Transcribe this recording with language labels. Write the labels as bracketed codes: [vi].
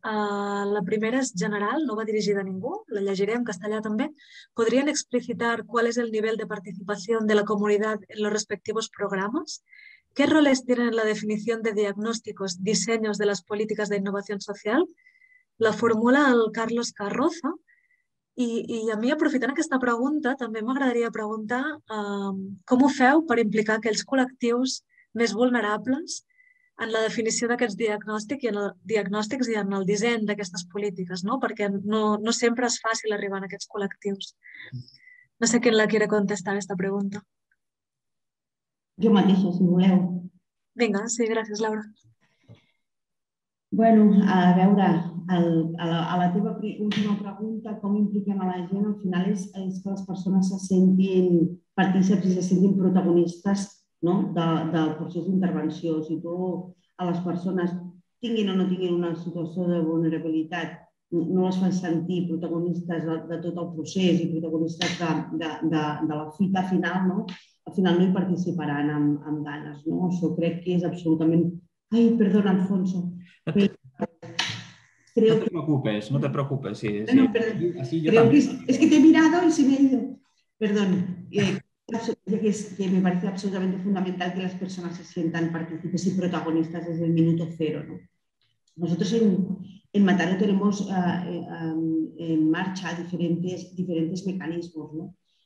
[ca] La primera és general, no va dirigida a ningú, la llegiré en castellà també. [es] ¿Podrían explicitar cuál es el nivel de participación de la comunidad en los respectivos programas? ¿Qué roles tienen la definición de diagnósticos, diseños de las políticas de innovación social? [ca] La formula el Carlos Carroza. I a mi, aprofitant aquesta pregunta, també m'agradaria preguntar com ho feu per implicar aquells col·lectius més vulnerables en la definició d'aquests diagnòstics i en el disseny d'aquestes polítiques, no? Perquè no sempre és fàcil arribar a aquests col·lectius. No sé qui la quiere contestar, aquesta pregunta. [es] Yo matizo, [ca] si voleu. Vinga, sí, gràcies, Laura. Bueno, a veure, a la teva última pregunta, com impliquem a la gent, al final és que les persones se sentin partícips i se sentin protagonistes, no?, del procés d'intervenció. Si tu a les persones, tinguin o no tinguin una situació de vulnerabilitat, no les fan sentir protagonistes de tot el procés i protagonistes de la fita final, no?, al final no hi participaran amb ganes, no? Això crec que és absolutament... Ai, perdona, Alfonso. [es] Creo... No te preocupes, no te preocupes. Sí, no, sí. No, perdón. Así yo creo que es que te he mirado y se me ha ido. Perdón. Que me parece absolutamente fundamental que las personas se sientan partícipes y protagonistas desde el minuto cero, ¿no? Nosotros en Mataró tenemos en marcha diferentes mecanismos, ¿no?